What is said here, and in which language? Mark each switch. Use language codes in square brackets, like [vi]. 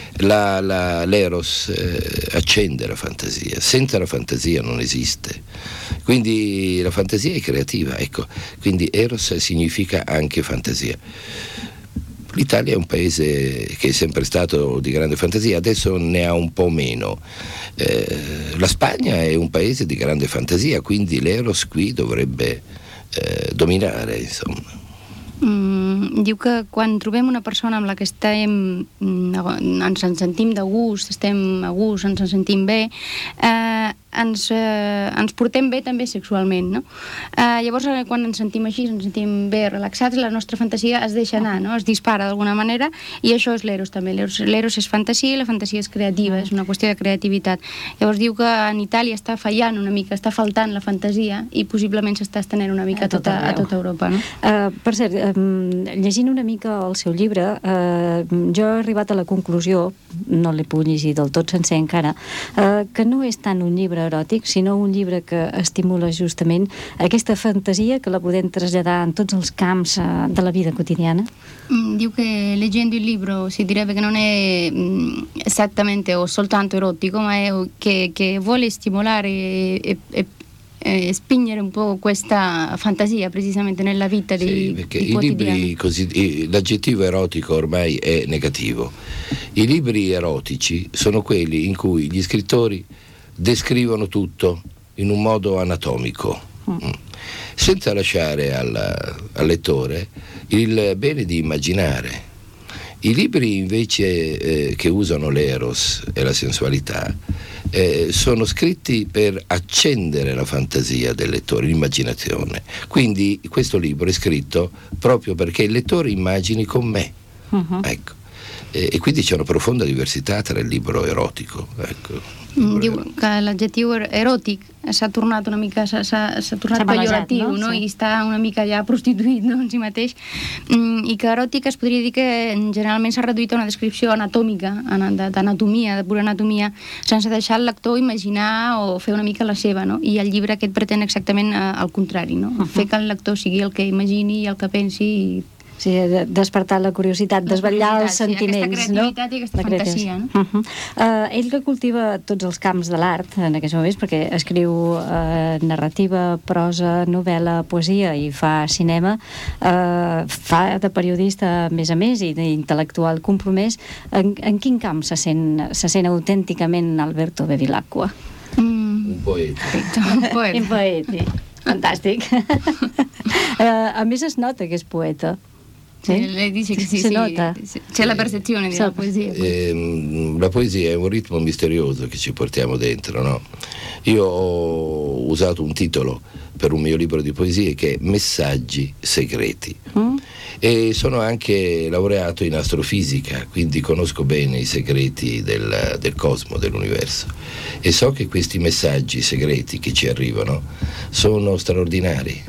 [it] L'eros accende la fantasia, senza la fantasia non esiste, quindi la fantasia è creativa, ecco, quindi eros significa anche fantasia. L'Italia è un paese che è sempre stato di grande fantasia, adesso ne ha un po' meno. La Spagna è un paese di grande fantasia, quindi l'eros qui dovrebbe dominare, insomma. [ca] Diu que quan trobem una persona amb la que estem, ens en sentim de gust, estem a gust, ens en sentim bé, ens portem bé també sexualment, no? Llavors, quan ens sentim així, ens sentim bé relaxats, la nostra fantasia es deixa anar, no? Es dispara d'alguna manera, i això és l'eros també. L'eros és fantasia i la fantasia és creativa, és una qüestió de creativitat. Llavors diu que en Itàlia està fallant una mica, està faltant la fantasia i possiblement s'està estenent una mica a tota Europa, no? Per cert, llegint una mica el seu llibre, jo he arribat a la conclusió, no l'he pogut llegir del tot sencer encara, que no és tant un llibre eròtic, sinó un llibre que estimula justament aquesta fantasia que la podem traslladar en tots els camps de la vida quotidiana? Diu que [it] leggendo il libro si direbbe che non è esattamente o soltanto erotico, ma è che vuole stimolare e spingere un po' questa fantasia precisamente nella vita di quotidiana. Sì, perché i libri così, l'aggettivo erotico ormai è negativo. I libri erotici sono quelli in cui gli scrittori descrivono tutto in un modo anatomico, senza lasciare al lettore il bene di immaginare. I libri invece che usano l'eros e la sensualità sono scritti per accendere la fantasia del lettore, l'immaginazione. Quindi questo libro è scritto proprio perché il lettore immagini con me. Uh-huh. Ecco. E quindi c'è una profonda diversità tra il libro erotico. Ecco. [ca] Diu que l'adjectiu eròtic s'ha tornat una mica s'ha tornat pejoratiu, no? Sí. I està una mica ja prostituït, no, en si mateix, i que eròtic es podria dir que generalment s'ha reduït a una descripció anatòmica, d'anatomia, de pura anatomia, sense deixar el lector imaginar o fer una mica la seva, no? I el llibre aquest pretén exactament el contrari, no? Uh-huh. Fer que el lector sigui el que imagini i el que pensi i... Sí, despertar la curiositat, desvetllar els sentiments, aquesta creativitat, no? I aquesta fantasia, no? Uh-huh. Ell que cultiva tots els camps de l'art en aquests moments, perquè escriu narrativa, prosa, novel·la, poesia i fa cinema, fa de periodista més a més i d'intel·lectual compromès, en quin camp se sent autènticament Alberto Bevilacqua? Un poeta. Fantàstic. A més es nota que és poeta. [it] Sì, le dice che sì, c'è la percezione della poesia. La poesia è un ritmo misterioso che ci portiamo dentro, no? Io ho usato un titolo per un mio libro di poesie che è Messaggi segreti. E sono anche laureato in astrofisica, quindi conosco bene i segreti del cosmo, dell'universo, e so che questi messaggi segreti che ci arrivano sono straordinari.